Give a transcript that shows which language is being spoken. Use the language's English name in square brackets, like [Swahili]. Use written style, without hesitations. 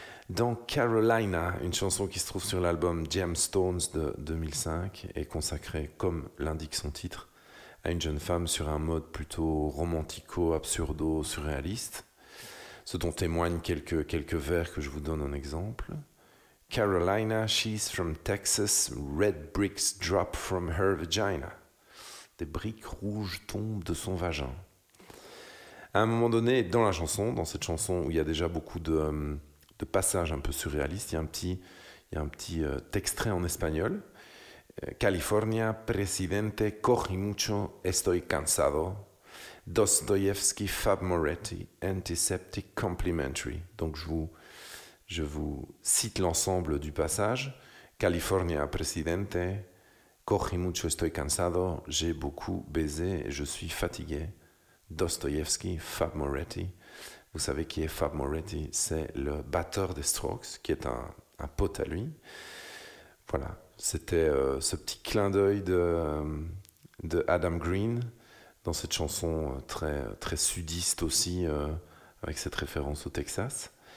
[French] Dans Carolina, une chanson qui se trouve sur l'album Gemstones de 2005 est consacrée, comme l'indique son titre, à une jeune femme sur un mode plutôt romantico, absurdo, surréaliste, ce dont témoignent quelques vers que je vous donne en exemple. [English] Carolina, she's from Texas, red bricks drop from her vagina. [French] Des briques rouges tombent de son vagin. À un moment donné, dans la chanson, dans cette chanson où il y a déjà beaucoup de passages un peu surréalistes, il y a un petit extrait en espagnol. [Spanish] California, presidente, cogí mucho, estoy cansado. [English] Dostoevsky, Fab Moretti, antiseptic, complimentary. [French] Donc je vous cite l'ensemble du passage. [Spanish] California, presidente, cogí mucho, estoy cansado. [French] J'ai beaucoup baisé et je suis fatigué. Dostoevsky, Fab Moretti. Vous savez qui est Fab Moretti? C'est le batteur des Strokes, qui est un pote à lui. Voilà. C'était ce petit clin d'œil de Adam Green dans cette chanson très, très sudiste aussi, avec cette référence au Texas.